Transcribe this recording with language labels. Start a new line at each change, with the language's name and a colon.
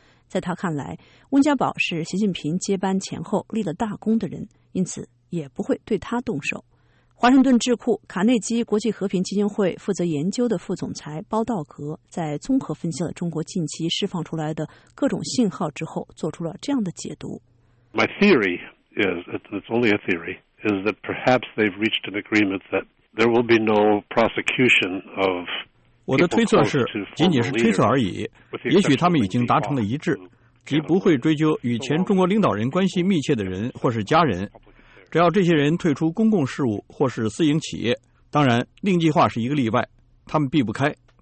Chinese: 在他看来，温家宝是习近平接班前后立了大功的人，因此也不会对他动手。华盛顿智库卡内基国际和平基金会负责研究的副总裁包道格在综合分析了中国近期释放出来的各种信号之后，做出了这样的解读。
English: My theory is, it's only a theory, is that perhaps they've reached an agreement that there will be no prosecution of.
Chinese: 我的推测是，仅仅是推测而已，也许他们已经达成了一致，即不会追究与前中国领导人关系密切的人或是家人。只要这些人退出公共事务或是私营企业，当然令计划是一个例外，他们避不开。